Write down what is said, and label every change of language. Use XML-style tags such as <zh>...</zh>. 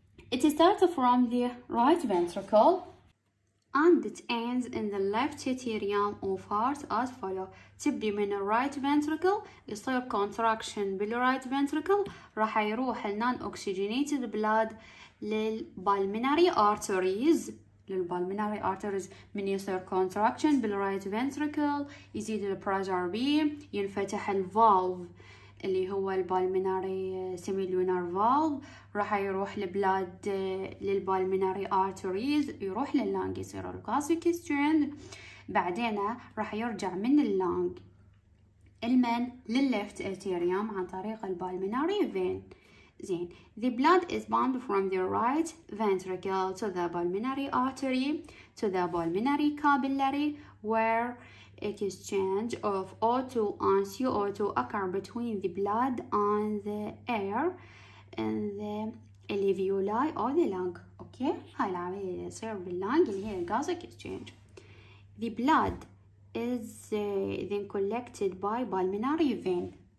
<en>It starts from the right ventricle and it ends in the left atrium of heart as follow.</en> <ar>تبدي من الرايت فنتركل يصير contraction بالرايت فنتركل راح يروح النان اوكسجينيتد بلاد للبالميناري ارتريز للبالميناري ارتريز من يصير contraction بالرايت فنتركل يزيد البرازر بي ينفتح الفالف اللي هو البالميناري سيميلونار فالف راح يروح لبلاد للبالميناري ارتريز يروح لللانج يصير الكاسيك ستريند بعدين راح يرجع من اللانج المن للليفت اتيريوم عن طريق البالميناري فين.</ar> <en>زين the blood is bound from the right ventricle to the pulmonary artery to the pulmonary capillary where exchange of O2 and CO2 occur between the blood and the air in the alveoli of the lung.</en> <ar>اوكي هاي العملية تصير باللانج اللي هي gas exchange.</ar> <en>The blood is then collected by pulmonary vein.</en>